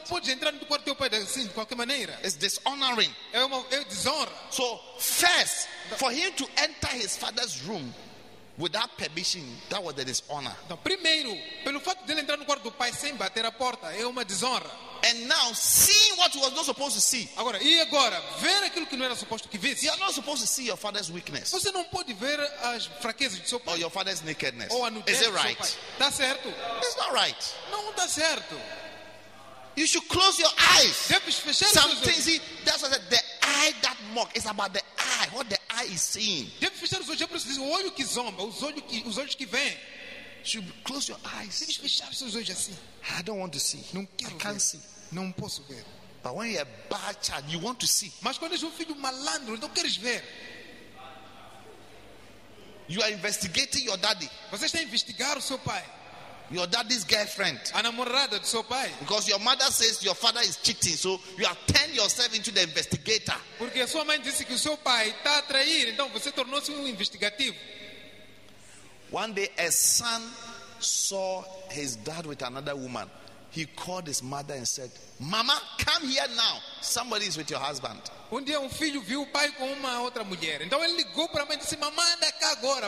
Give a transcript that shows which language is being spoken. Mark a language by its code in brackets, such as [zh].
[pt] Não pode entrar no quarto do teu pai assim, de qualquer maneira. [en] It's dishonoring. [pt] É desonra. [en] So, first, for him to enter his father's room without permission, that was a dishonor. [pt] Então, primeiro, pelo fato dele entrar no quarto do pai sem bater a porta, é uma desonra. [en] And now, seeing what he was not supposed to see. [pt] Agora, e agora, ver aquilo que não era suposto que visse. [en] You are not supposed to see your father's weakness. [pt] Você não pode ver as fraquezas do seu pai. [en] Or your father's nakedness. [pt] Ou a nudez do seu pai. [en] Is it right? [pt] Tá certo? [en] It's not right. [pt] Não tá certo. [en] You should close your eyes. [pt] Deves fechar [en] some things. That's what I said. The eye that mocks. It's about the eye. What the eye is seeing. [pt] Deves fechar os olhos. Por isso diz, o olho que zomba. Os olhos que vêm. [en] Should close your eyes. [pt] Deves fechar os olhos assim. [en] I don't want to see. [pt] Não quero [en] I can't [pt] ver. [en] See. [pt] Não posso ver. [en] But when you're a bad child, you want to see. [pt] Mas quando és filho malandro, não queres ver. [en] You are investigating your daddy. [pt] Você está a investigar o seu pai. [en] Your daddy's girlfriend. [pt] A namorada do seu pai. [en] Because your mother says your father is cheating, so you have turned yourself into the investigator. [pt] Porque a sua mãe disse que o seu pai está a trair, então você tornou-se investigativo. [en] One day a son saw his dad with another woman. He called his mother and said, "Mama, come here now. Somebody is with your husband." [pt] Um dia filho viu o pai com uma outra mulher. Então ele ligou para a mãe e disse, "Mamã, anda cá agora.